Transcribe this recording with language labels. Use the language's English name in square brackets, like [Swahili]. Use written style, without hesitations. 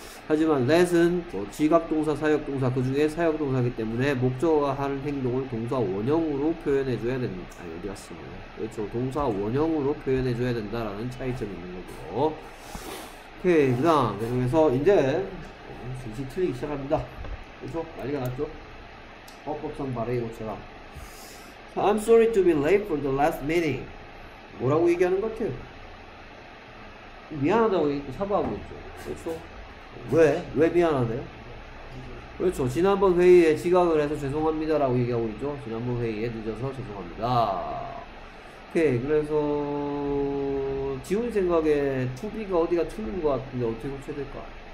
[Korean] 하지만 let은 뭐 지각동사, 사역동사, 그 중에 사역동사이기 때문에 목적어가 하는 행동을 동사 원형으로 표현해줘야 된다. 아니, 어디 갔어요? 그렇죠. 동사 원형으로 표현해줘야 된다라는 차이점이 있는 거고. 오케이, 그 다음 계속해서 이제 슬슬 틀리기 시작합니다. 그쵸? 난리가 났죠? 헛법성 발의 것처럼. [English] I'm sorry to be late for the last meeting. [Korean] 뭐라고 얘기하는 것 같아요? 미안하다고 얘기했고 사과하고 있죠. 그쵸? 왜? 왜 미안하대요? 그렇죠. 지난번 회의에 지각을 해서 죄송합니다라고 얘기하고 있죠. 지난번 회의에 늦어서 죄송합니다. 오케이. 그래서 지훈이 생각에 to be가 어디가 틀린 것 같은데 어떻게 고쳐야 될까?